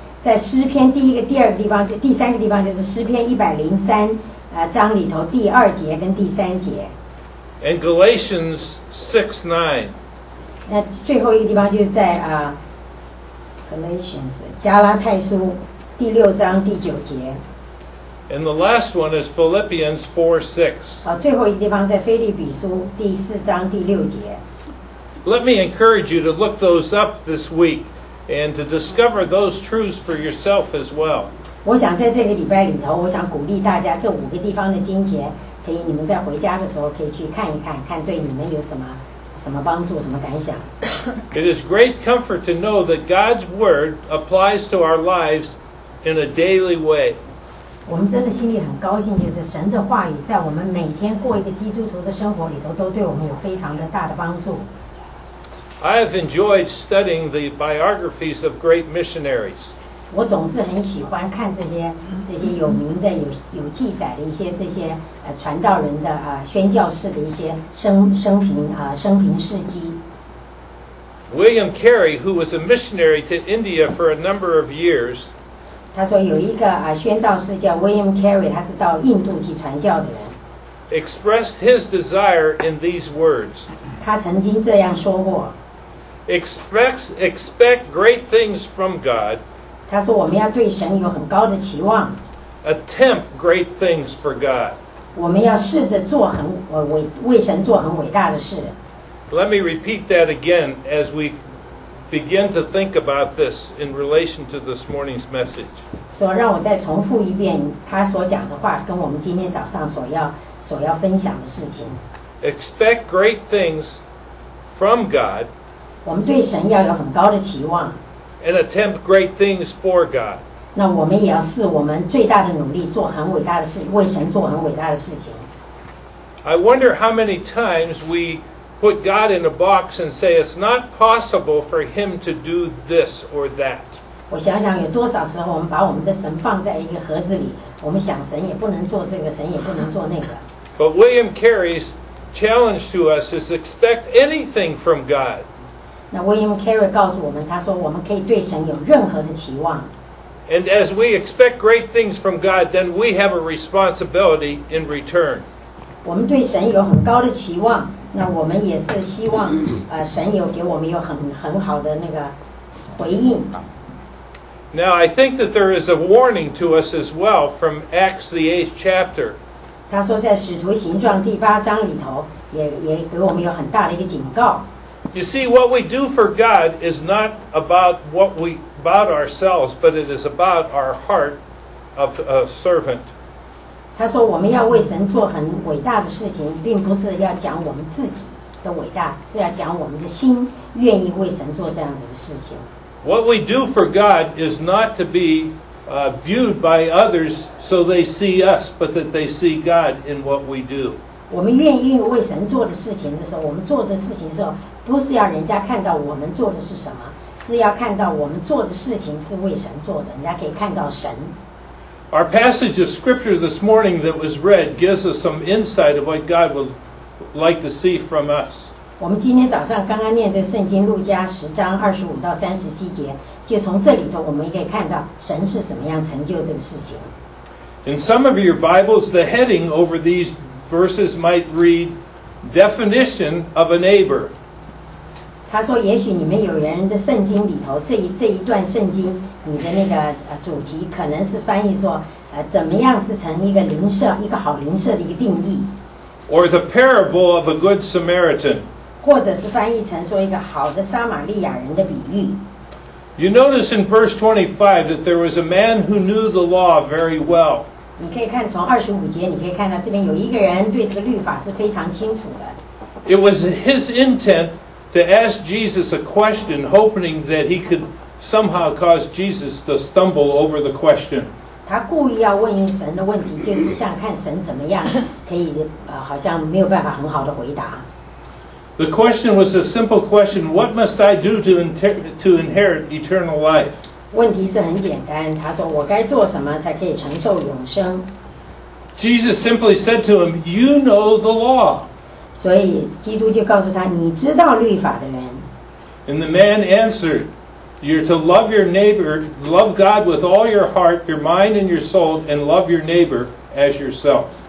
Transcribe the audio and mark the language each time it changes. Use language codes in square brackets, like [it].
[zh] 在诗篇第一个、第二个地方，就第三个地方，就是诗篇103章里头第二节跟第三节。 [en] And Galatians 6:9. [zh] 那最后一个地方就是在Galatians 加拉太书第六章第九节。 [en] And the last one is Philippians 4:6. [zh] 最后一个地方在腓立比书第四章第六节。 [en] Let me encourage you to look those up this week and to discover those truths for yourself as well. [zh] 我想在这个礼拜里头，我想鼓励大家，这五个地方的经节，可以你们在回家的时候可以去看一看，看对你们有什么帮助，什么感想。 [en] It is great comfort to know that God's word applies to our lives in a daily way. [zh] 我们真的心里很高兴，就是神的话语在我们每天过一个基督徒的生活里头，都对我们有非常的大的帮助。 [en] I have enjoyed studying the biographies of great missionaries. [zh] 我总是很喜欢看这些有名的、有记载的一些这些传道人的宣教士的一些生平事迹。 [en] William Carey, who was a missionary to India for a number of years, [zh] 他说有一个宣道士叫 William Carey, 他是到印度去传教的人。 [en] Expressed his desire in these words. [zh] 他曾经这样说过。 [en] Expect great things from God. [zh] 他说我们要对神有很高的期望。 [en] Attempt great things for God. [zh] 我们要试着做很为神做很伟大的事。 [en] Let me repeat that again as we begin to think about this in relation to this morning's message. [zh] 所以让我再重复一遍他所讲的话，跟我们今天早上所要分享的事情。 [en] Expect great things from God. [zh] 我们对神要有很高的期望 [en] and attempt great things for God. [zh] 那我们也要试我们最大的努力做很伟大的事为神做很伟大的事情 [en] I wonder how many times we put God in a box and say it's not possible for him to do this or that. [zh] 我想想有多少时候我们把我们的神放在一个盒子里，我们想神也不能做这个，神也不能做那个。 [en] But William Carey's challenge to us is expect anything from God. [zh] 那 William Carey 告诉我们，他说我们可以对神有任何的期望。 [en] And as we expect great things from God, then we have a responsibility in return. [zh] 我们对神有很高的期望，那我们也是希望，神有给我们有很好的那个回应。 [en] Now I think that there is a warning to us as well from Acts the 8th chapter. [zh] 他说在使徒行状第八章里头也给我们有很大的一个警告。 [en] You see, what we do for God is not about what we about ourselves, but it is about our heart of a servant. [zh] 他说我们要为神做很伟大的事情，并不是要讲我们自己的伟大，是要讲我们的心愿意为神做这样子的事情。 [en] What we do for God is not to be viewed by others so they see us, but that they see God in what we do. [zh] 我们愿意为神做的事情的时候，我们做的事情的时候，不是要人家看到我们做的是什么，是要看到我们做的事情是为神做的，人家可以看到神。 [en] Our passage of scripture this morning that was read gives us some insight of what God would like to see from us. [zh] 我们今天早上刚刚念这圣经路加十章二十五到三十七节，就从这里头我们也可以看到神是怎么样成就这个事情。 [en] In some of your Bibles, the heading over these verses might read definition of a neighbor. [zh] 他说也许你们有人的圣经里头这一段圣经你的那个主题可能是翻译说怎么样是成一个邻舍，一个好邻舍的一个定义。 [en] Or the parable of a good Samaritan. [zh] 或者是翻译成说一个好的撒玛利亚人的比喻。 [en] You notice in verse 25 that there was a man who knew the law very well. [zh] 你可以看从二十五节你可以看到这边有一个人对这个律法是非常清楚的。 [en] It was his intent to ask Jesus a question, hoping that he could somehow cause Jesus to stumble over the question. [zh] 他故意要问神的问题，就是想看神怎么样，可以好像没有办法很好的回答。 [en] The question was a simple question, what must I do to inherit eternal life? [zh] 问题是很简单，他说我该做什么才可以承受永生。 [en] Jesus simply said to him, you know the law. [zh] 所以基督就告诉他，你知道律法的人。 [en] And the man answered,You're to love your neighbor, love God with all your heart, your mind, and your soul, and love your neighbor as yourself.